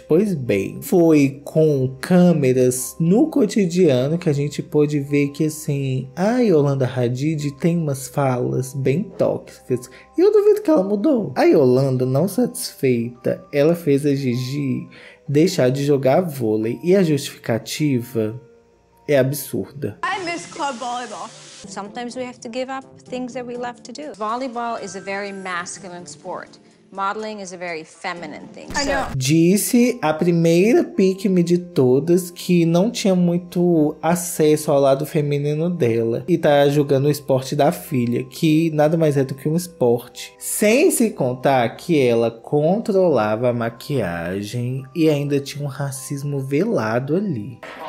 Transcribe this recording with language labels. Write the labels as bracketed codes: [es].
[pt] Pois bem, foi com câmeras no cotidiano que a gente pôde ver que, assim, a Yolanda Hadid tem umas falas bem tóxicas. E eu duvido que ela mudou. A Yolanda, não satisfeita, ela fez a Gigi deixar de jogar vôlei. E a justificativa é absurda. [en] I miss club volleyball. Sometimes we have to give up things that we love to do. Volleyball is a very masculine sport. Modeling is a very feminine thing. I know. [pt] Disse a primeira pick-me de todas que não tinha muito acesso ao lado feminino dela. E tá jogando o esporte da filha, que nada mais é do que um esporte. Sem se contar que ela controlava a maquiagem e ainda tinha um racismo velado ali.